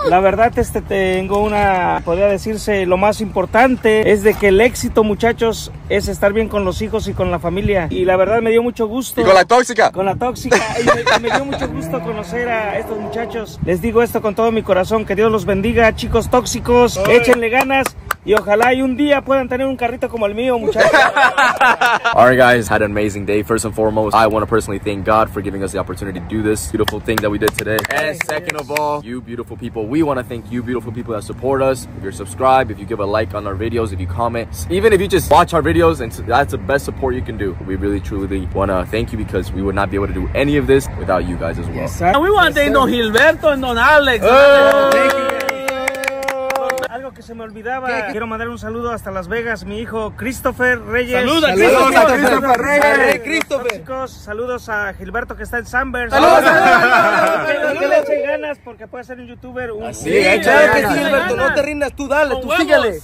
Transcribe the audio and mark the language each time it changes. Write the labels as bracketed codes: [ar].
[es] La verdad, tengo una, podría decirse, lo más importante es de que el éxito, muchachos, es estar bien con los hijos y con la familia. Y la verdad, me dio mucho gusto. ¿Y con la tóxica? Con la tóxica. Y me dio mucho gusto conocer a estos muchachos. Les digo esto con todo mi corazón, que Dios los bendiga, chicos. Chicos tóxicos, ¡ay!, échenle ganas. Y ojalá y un día puedan tener un carrito como el mío, muchachos. [en] All right, guys, had an amazing day. First and foremost, I want to personally thank God for giving us the opportunity to do this beautiful thing that we did today. And second of all, you beautiful people, we want to thank you beautiful people that support us. If you're subscribed, if you give a like on our videos, if you comment, even if you just watch our videos, and that's the best support you can do. We really, truly want to thank you because we would not be able to do any of this without you guys as well. Yes, sir. We want to thank Don Gilberto and Don Alex. Oh! Thank you. [es] Que se me olvidaba. ¿Qué? Quiero mandar un saludo hasta Las Vegas, mi hijo Christopher Reyes. ¡Saluda, Christopher! ¡Saludos a Christopher Reyes! ¡Christopher! Chicos, saludos a Gilberto que está en Sanders. ¡Saludos! Que le eche ganas porque puede ser un youtuber. ¡Sí! ¡Claro que sí, Gilberto! ¡No te rindas tú! ¡Dale! ¡Tú síguele!